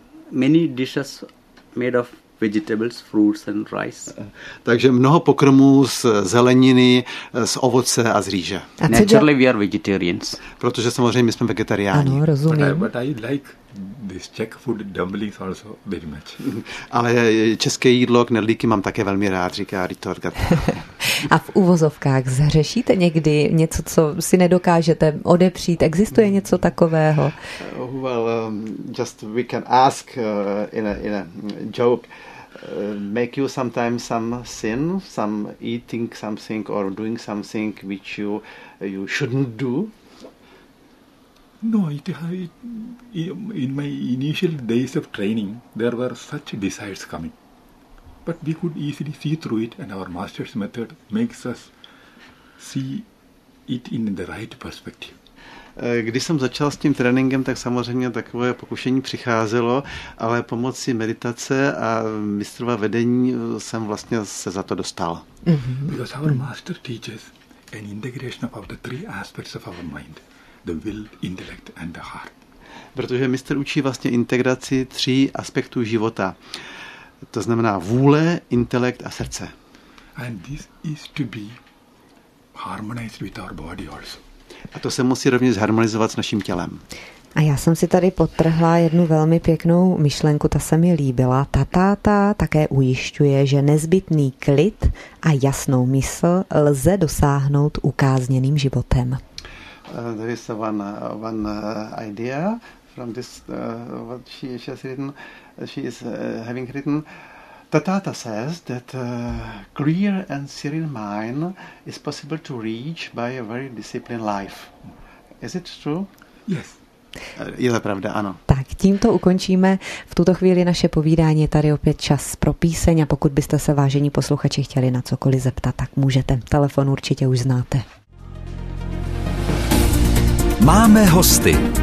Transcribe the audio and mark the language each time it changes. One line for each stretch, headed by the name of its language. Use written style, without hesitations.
English: Many dishes made of vegetables, fruits and rice.
Czech: Takže mnoho pokrmů z zeleniny, z ovoce a z rýže.
English: Naturally we are vegetarians.
Czech: Protože samozřejmě jsme vegetariáni. Ano, rozumím.
English: But I like this Czech food dumplings also very much.
Czech: Ale české jídlo, knedlíky mám také velmi rád, říká Ritor Gata. A v uvozovkách zhřešíte někdy něco, co si nedokážete odepřít? Existuje něco takového?
English: Well, just we can ask in a joke. Make you sometimes some sin, some eating something or doing something which you shouldn't do? No, it in my initial days of training, there were such desires coming. But we could easily see through it, and our master's method makes us see it in the right perspective.
Czech: Když jsem začal s tím tréninkem, tak samozřejmě takové pokušení přicházelo, ale pomocí meditace a mistrova vedení jsem vlastně se za to dostal. Mm-hmm.
English: Because our master teaches an integration of the three aspects of our mind, the will, intellect and the heart.
Czech: Protože mistr učí vlastně integraci tří aspektů života. To znamená vůle, intelekt a srdce.
English: And this is to be harmonized with our body also.
Czech: A to se musí rovněž harmonizovat s naším tělem. A já jsem si tady podtrhla jednu velmi pěknou myšlenku, ta se mi líbila. Ta táta také ujišťuje, že nezbytný klid a jasnou mysl lze dosáhnout ukázněným životem.
English: There is one idea from this, what she has written, she is having written. Tatata says that a clear and serene mind is possible to reach by a very disciplined life. Is it true? Yes.
Czech: Je to pravda, ano. Tak, tímto ukončíme v tuto chvíli naše povídání. Je tady opět čas pro píseň a pokud byste se, vážení posluchači, chtěli na cokoliv zeptat, tak můžete. Telefon určitě už znáte. Máme hosty.